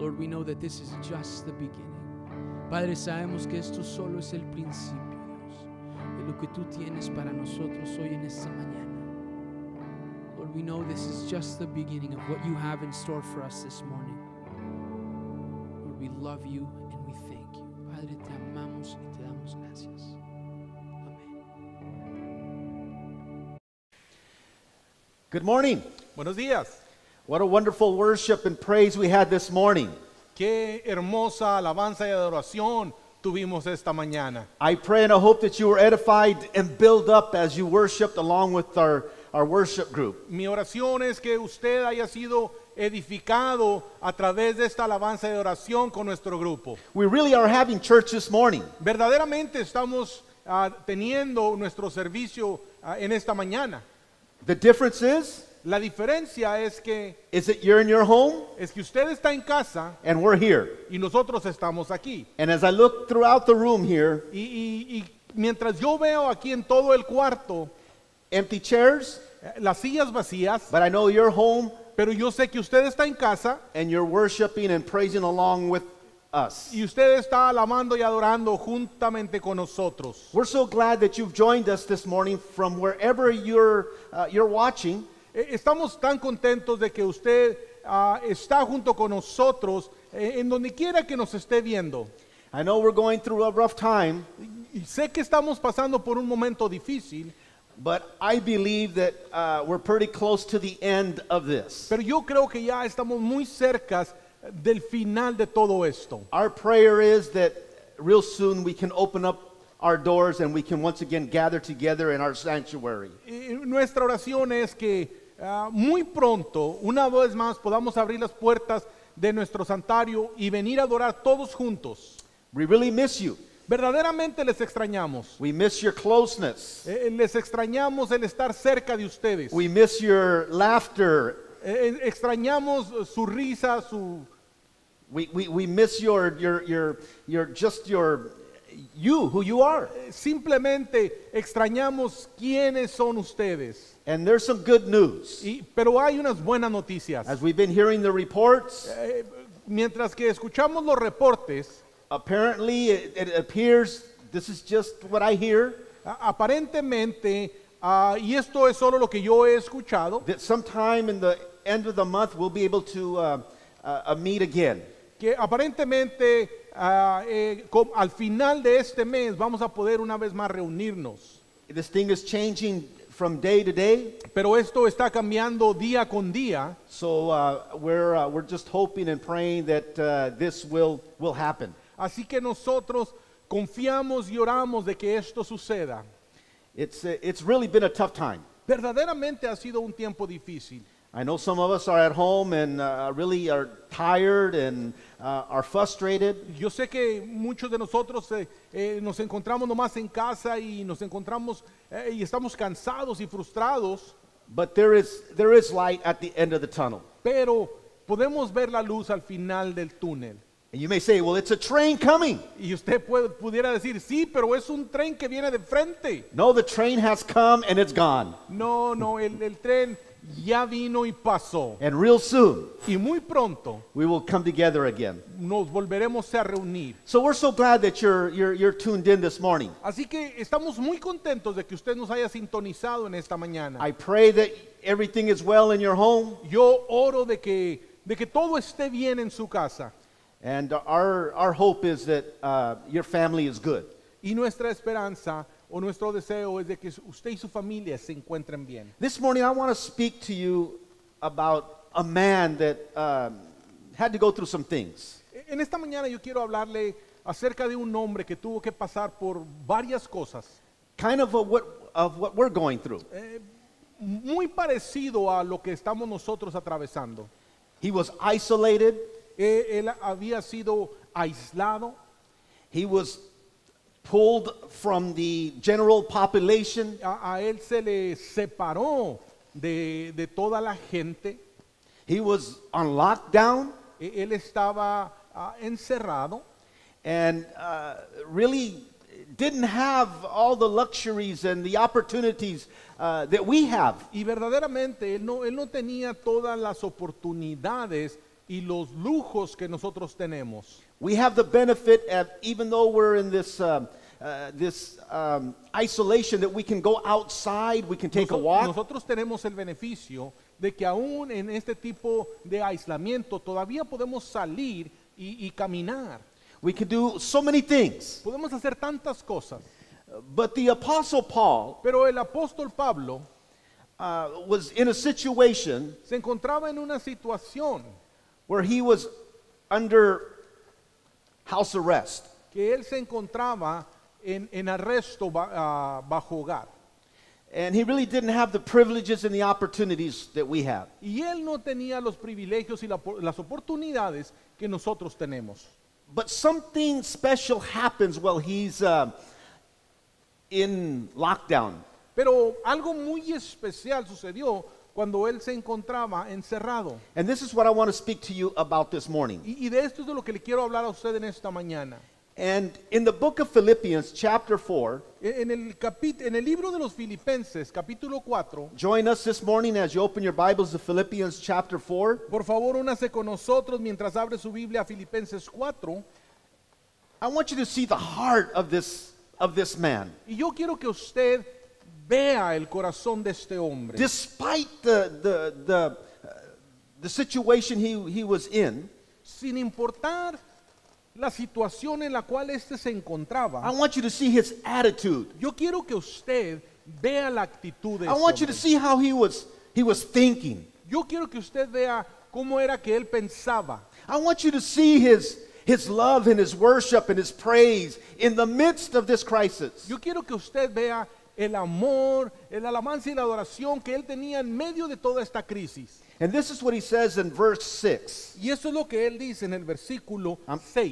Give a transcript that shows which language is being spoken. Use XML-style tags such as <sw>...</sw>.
<en>Lord, we know that this is just the beginning.</en> <es>Padre, sabemos que esto solo es el principio, Dios, de lo que tú tienes para nosotros hoy en esta mañana.</es> <en>Lord, we know this is just the beginning of what you have in store for us this morning. Lord, we love you and we thank you.</en> <es>Padre, te amamos y te damos gracias.</es> <en>Good morning.</en> <es>Buenos días.</es> <en>What a wonderful worship and praise we had this morning.</en> <es>Qué hermosa alabanza y adoración tuvimos esta mañana.</es> <en>I pray and I hope that you were edified and built up as you worshiped along with our worship group.</en> <es>Mi oración es que usted haya sido edificado a través de esta alabanza y adoración con nuestro grupo.</es> <en>We really are having church this morning.</en> <es>Verdaderamente estamos teniendo nuestro servicio en esta mañana.</es> <en>The difference is,</en> <es>la diferencia es que,</es> <en>is that you're in your home,</en> <es>es que usted está en casa,</es> <en>and we're here,</en> <es>y nosotros estamos aquí.</es> <en>And as I look throughout the room here,</en> <es>y mientras yo veo aquí en todo el cuarto,</es> <en>empty chairs,</en> <es>las sillas vacías,</es> <en>but I know you're home,</en> <es>pero yo sé que usted está en casa,</es> <en>and you're worshiping and praising along with us.</en> <es>Y usted está alabando y adorando juntamente con nosotros.</es> <en>We're so glad that you've joined us this morning from wherever you're watching.</en> <es>Estamos tan contentos de que usted está junto con nosotros en donde quiera que nos esté viendo.</es> <en>I know we're going through a rough time.</en> <es>Y sé que estamos pasando por un momento difícil.</es> <en>But I believe that we're pretty close to the end of this.</en> <es>Pero yo creo que ya estamos muy cerca del final de todo esto.</es> <en>Our prayer is that real soon we can open up our doors and we can once again gather together in our sanctuary.</en> <es>Nuestra oración es que muy pronto, una vez más, podamos abrir las puertas de nuestro santuario y venir a adorar todos juntos.</es> <en>We really miss you.</en> <es>Verdaderamente les extrañamos.</es> <en>We miss your closeness.</en> <es>Les extrañamos el estar cerca de ustedes.</es> <en>We miss your laughter.</en> <es>Extrañamos su risa, su</es> <en>we miss your just your you who you are.</en> <es>Simplemente extrañamos quiénes son ustedes.</es> <en>And there's some good news.</en> <es>Pero hay unas buenas noticias.</es> <en>As we've been hearing the reports,</en> <es>mientras que escuchamos los reportes,</es> <en>apparently it appears this is just what I hear.</en> <es>Aparentemente, y esto es solo lo que yo he escuchado.</es> <en>That sometime in the end of the month we'll be able to meet again.</en> <es>Que aparentemente al final de este mes vamos a poder una vez más reunirnos.</es> <en>This thing is changing from day to day.</en> <es>Pero esto está cambiando día con día.</es> <en>So we're just hoping and praying that this will happen.</en> <es>Así que nosotros confiamos y oramos de que esto suceda.</es> <en>It's really been a tough time.</en> <es>Verdaderamente ha sido un tiempo difícil.</es> <en>I know some of us are at home and really are tired and are frustrated.</en> <es>Yo sé que muchos de nosotros nos encontramos nomás en casa y nos encontramos y estamos cansados y frustrados.</es> <en>But there is light at the end of the tunnel.</en> <es>Pero podemos ver la luz al final del túnel.</es> <en>And you may say, well, it's a train coming.</en> <es>Y usted pudiera decir, sí, pero es un tren que viene de frente.</es> <en>No, the train has come and it's gone.</en> <es>No, el tren ya vino y pasó.</es> <en>And real soon,</en> <es>y muy pronto,</es> <en>we will come together again.</en> <es>Nos volveremos a reunir.</es> <en>So we're so glad that you're tuned in this morning.</en> <es>Así que estamos muy contentos de que usted nos haya sintonizado en esta mañana.</es> <en>I pray that everything is well in your home.</en> <es>Yo oro de que todo esté bien en su casa.</es> <en>And our hope is that your family is good.</en> <es>Y nuestra esperanza o nuestro deseo es de que usted y su familia se encuentren bien.</es> <en>This morning I want to speak to you about a man that had to go through some things.</en> <es>En esta mañana yo quiero hablarle acerca de un hombre que tuvo que pasar por varias cosas.</es> <en>Kind of what we're going through.</en> <es>Muy parecido a lo que estamos nosotros atravesando.</es> <en>He was isolated.</en> <es>Él había sido aislado.</es> <en>He was pulled from the general population.</en> <es>A él se le separó de toda la gente.</es> <en>He was on lockdown.</en> <es>Él estaba encerrado.</es> <en>And really didn't have all the luxuries and the opportunities that we have.</en> <es>Y verdaderamente él no tenía todas las oportunidades y los lujos que nosotros tenemos.</es> <en>We have the benefit of, even though we're in this isolation, that we can go outside, we can take a walk.</en> <es>Nosotros tenemos el beneficio de que aún en este tipo de aislamiento todavía podemos salir y caminar.</es> <en>We can do so many things.</en> <es>Podemos hacer tantas cosas.</es> <en>But the Apostle Paul,</en> <es>pero el apóstol Pablo,</es> <en>was in a situation,</en> <es>se encontraba en una situación,</es> <en>where he was under house arrest.</en> <es>Que él se encontraba en arresto bajo hogar.</es> <en>And he really didn't have the privileges and the opportunities that we have.</en> <es>Y él no tenía los privilegios y las oportunidades que nosotros tenemos.</es> <en>But something special happens while he's in lockdown.</en> <es>Pero algo muy especial sucedió cuando él se encontraba encerrado.</es> <en>And this is what I want to speak to you about this morning.</en> <es>Y de esto es de lo que le quiero hablar a usted en esta mañana.</es> <en>And in the book of Philippians, chapter 4,</en> <es>en el libro de los Filipenses, capítulo 4,</es> <en>join us this morning as you open your Bibles to Philippians, chapter 4.</en> <es>Por favor, únase con nosotros mientras abre su Biblia a Filipenses 4.</es> <en>I want you to see the heart of this man.</en> <es>Y yo quiero que usted vea el corazón de este hombre.</es> <en>Despite the situation he was in,</en> <es>sin importar la situación en la cual este se encontraba,</es> <en>I want you to see his attitude.</en> <es>Yo quiero que usted vea la actitud de este hombre.</es> <en>I want you to see how he was thinking.</en> <es>Yo quiero que usted vea cómo era que él pensaba.</es> <en>I want you to see his love and his worship and his praise in the midst of this crisis.</en> <es>Yo quiero que usted vea el amor, el alabanza y la adoración que él tenía en medio de toda esta crisis.</es> <en>And this is what he says in verse 6.</en> <es>Y eso es lo que él dice en el versículo 6.</es>